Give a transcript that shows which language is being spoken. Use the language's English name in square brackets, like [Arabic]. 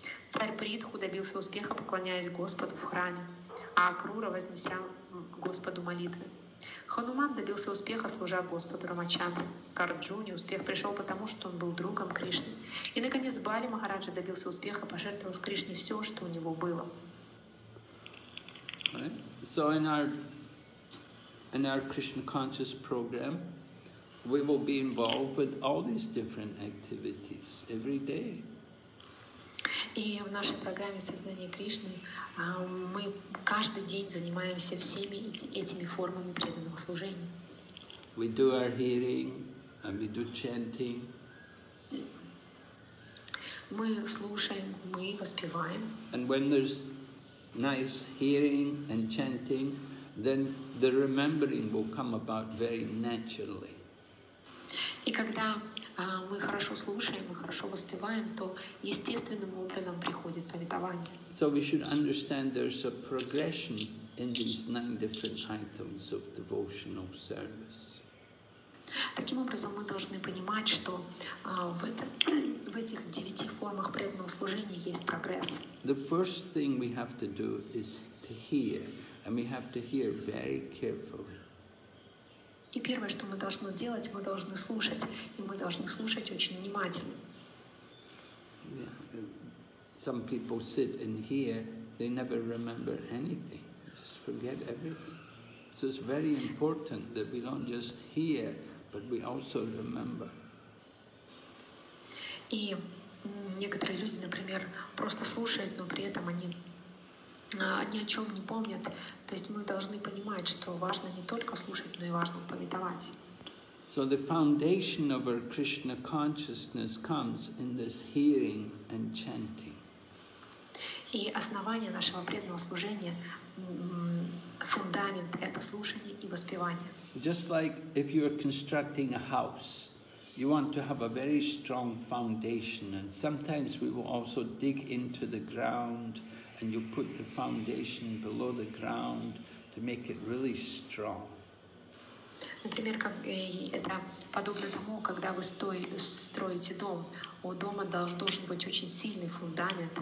[Russian] Царь Притху добился успеха, поклоняясь Господу в храме, а Акрура вознеся Господу молитвы. Хануман добился успеха, служа Господу Рамачандре. Карджуни успех пришел потому, что он был другом Кришны. И, наконец, Бали Махараджа добился успеха, пожертвовав Кришне все, что у него было. [English] Right. So in our Krishna Conscious program, we will be involved with all these different activities every day. [Russian] И в нашей программе «Сознание Кришны» мы каждый день занимаемся всеми этими формами преданного служения. [English] We do our hearing and we do chanting. [Russian] Мы слушаем, мы воспеваем. [English] And when there's nice hearing and chanting, then the remembering will come about very naturally. [Russian] И когда мы хорошо слушаем, мы хорошо воспеваем, то естественным образом приходит памятование. [English] So we should understand there's a progression in these nine different items of devotional service. [Russian] Таким образом, мы должны понимать, что в этих девяти формах преданного служения служении есть прогресс. [English] The first thing we have to do is to hear, and we have to hear very carefully. [Russian] И первое, что мы должны делать, мы должны слушать, и мы должны слушать очень внимательно. [English] Some people sit and hear, they never remember anything, just forget everything. So it's very important that we don't just hear, but we also remember. [Russian] И некоторые люди, например, просто слушают, но при этом они ни о чем не помнят. То есть мы должны понимать, что важно не только слушать, но и важно повествовать. [English] So the foundation of our Krishna consciousness comes in this hearing and chanting. [Russian] И основание нашего преданного служения, фундамент — это слушание и воспевание. [English] Just like if you are constructing a house, you want to have a very strong foundation, and sometimes we will also dig into the ground and you put the foundation below the ground to make it really strong. [Russian] Например, как это подобно тому, когда вы строите дом, у дома должен быть очень сильный фундамент.